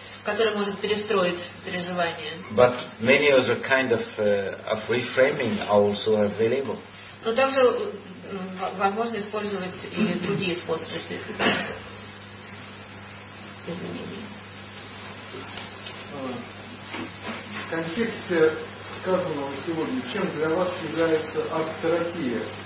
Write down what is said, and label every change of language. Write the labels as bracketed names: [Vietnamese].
[Russian] Который может перестроить переживания. [English] But many other kind of reframing are also available. [Russian] Но также возможно использовать и другие способы изменений. В контексте сказанного сегодня, чем для вас является арт-терапия?